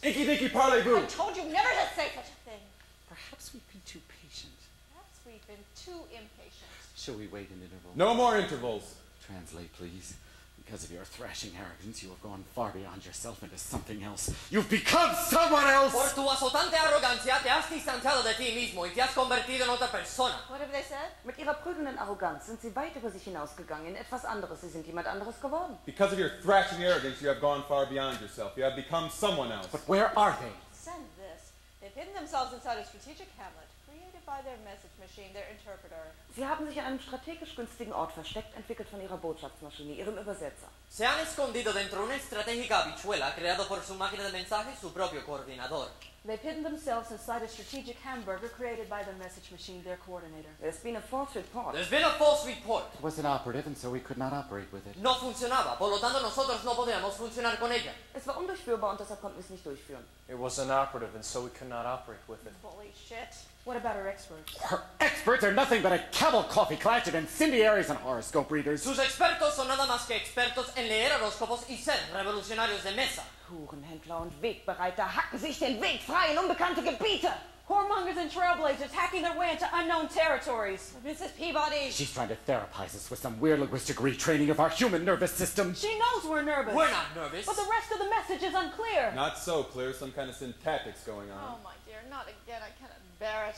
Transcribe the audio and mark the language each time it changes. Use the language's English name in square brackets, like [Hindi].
[English] Inky dinky parley-boo! I told you never to say such a thing. Perhaps we've been too patient. Perhaps we've been too impatient. Shall we wait an interval? No more intervals. Translate, please. Because of your thrashing arrogance, you have gone far beyond yourself into something else. You've become someone else! [Spanish] Por tu asotante arrogancia, te has distanciado de ti mismo y te has convertido en otra persona. [English] What have they said? [German] Mit ihrer prügelnden Arroganz sind sie weit über sich hinausgegangen in etwas anderes. Sie sind jemand anderes geworden. [English] Because of your thrashing arrogance, you have gone far beyond yourself. You have become someone else. But where are they? Send this. They've hidden themselves inside a strategic hamlet. By their message machine, their interpreter. [German] Sie haben sich an einem strategisch günstigen Ort versteckt, entwickelt von ihrer Botschaftsmaschine, ihrem Übersetzer. [Spanish] Se han escondido dentro una estratégica habichuela creada por su máquina de mensaje, su propio coordinador. [English] They've hidden themselves inside a strategic hamburger created by their message machine, their coordinator. There's been a false report. There's been a false report. It was an operative, and so we could not operate with it. [Spanish] No funcionaba, por lo tanto nosotros no podíamos funcionar con ella. [German] Es war undurchführbar, und deshalb konnten wir es nicht durchführen. [English] It was an operative, and so we could not operate with it. Holy shit. What about her experts? Her experts are nothing but a cabal coffee clutch of incendiaries and horoscope readers. [Spanish] Sus expertos son nada más que expertos en leer horóscopos y ser revolucionarios de mesa. [German] Hurenhändler und Wegbereiter hacken sich den Weg frei in unbekannte Gebiete. [English] Whoremongers and trailblazers hacking their way into unknown territories. Mrs. Peabody. She's trying to therapize us with some weird linguistic retraining of our human nervous system. She knows we're nervous. We're not nervous. But the rest of the message is unclear. Not so clear. Some kind of syntactics going on. Oh, my dear. Not again. I cannot bear it.